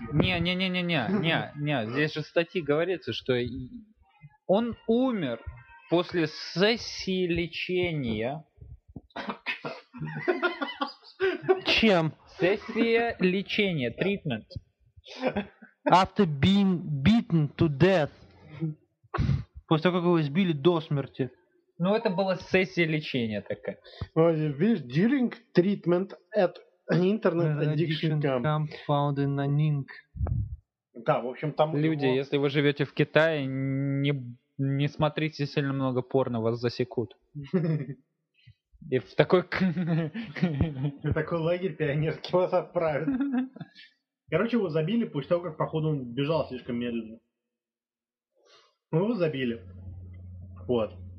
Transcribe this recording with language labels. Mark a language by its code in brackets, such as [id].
[ru] Не-не-не-не-не-не-не, здесь же в статье говорится, что он умер после сессии лечения. Чем? Сессия лечения, treatment. [en] After being beaten to death. [ru] После того, как его избили до смерти. Ну, это была сессия лечения такая. Вот, видишь, [en] during treatment at internet addiction camp found in Nanning. [ru] Да, в общем, там... Люди, его... если вы живете в Китае, не смотрите сильно много порно, вас засекут. И в такой... В такой лагерь пионерский вас отправят. Короче, его забили после того, как, походу, он бежал слишком медленно. Ну, его забили. Вот.